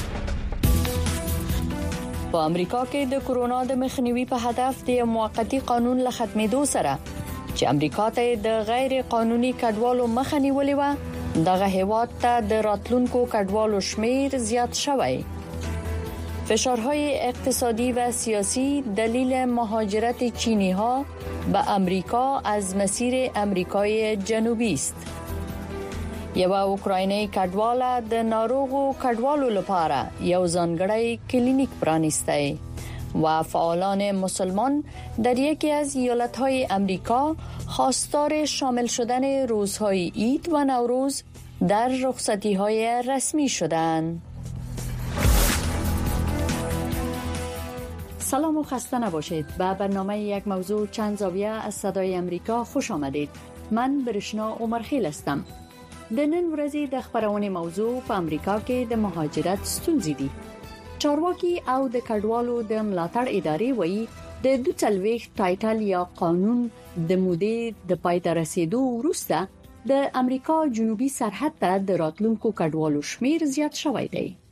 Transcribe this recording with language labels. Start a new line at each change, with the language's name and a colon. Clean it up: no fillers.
Pashto: په امریکا کې د کورونا د مخنیوي په هدف د موقتی قانون له ختمېدو سره چې امریکا ته د غیر قانوني کډوالو مخنیولې و، دغه هیواد ته د راتلونکو کډوالو شمیر زیات شوی.
Persian: فشارهای اقتصادی و سیاسی دلیل مهاجرت چینی ها به امریکا از مسیر امریکای جنوبی است.
Pashto: یوه اوکراینی کډواله د ناروغو کډوالو لپاره یو ځانګړی کلینیک پرانیسته
Persian: و فعالان مسلمان در یکی از ایالت‌های امریکا خواستار شامل شدن روزهای عید و نوروز در رخصتی‌های رسمی شدند. سلام و خسته نباشید. به برنامه یک موضوع چند زاویه از صدای امریکا خوش آمدید. من برشنا عمرخیل هستم.
Pashto: د نن ورځې د خبرونې موضوع په امریکا کې د مهاجرت ستونزې دي. چارواکي او د کډوالو د ملاتړ ادارې وایي د 24 ټایټل یا قانون د مودې د پای ته رسیدو وروسته د امریکا جنوبی سرحد ته د راتلونکو کډوالو شمیر زیات شوی دی.